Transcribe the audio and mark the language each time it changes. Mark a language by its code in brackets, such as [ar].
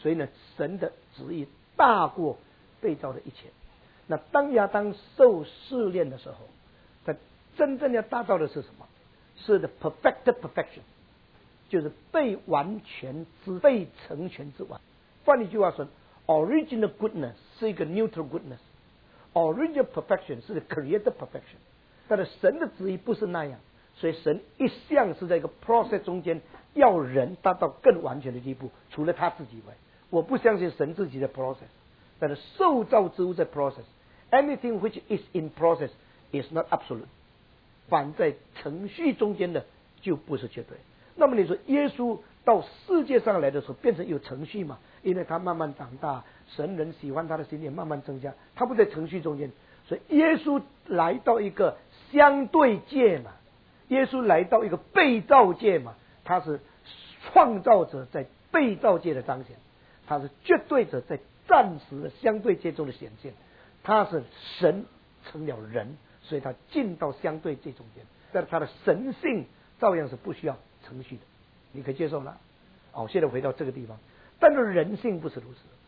[zh] 所以呢，神的旨意大过被造的一切。那当亚当受试炼的时候，他真正要达到的是什么？是 [en] the perfected perfection， [zh] 就是被完全之被成全之完。换一句话说， [en] original goodness [zh] 是一个 [en] neutral goodness， original perfection [zh] 是 [en] the created perfection。 [zh] 但是神的旨意不是那样，所以神一向是在一个 process 中间要人达到更完全的地步，除了他自己以外。我不相信神自己的 process， 但是受造之物在 process。 [en] Anything which is in process is not absolute， [zh] 反在程序中间的就不是绝对。那么你说耶稣到世界上来的时候变成有程序吗？因为他慢慢长大，神人喜欢他的心念慢慢增加，他不在程序中间。所以耶稣来到一个相对界嘛，耶稣来到一个被造界嘛，他是创造者在被造界的彰显，他是绝对者在暂时的相对界中的显现，他是神成了人，所以他进到相对这中间，但是他的神性照样是不需要程序的，你可以接受了。哦，现在回到这个地方，但是人性不是如此。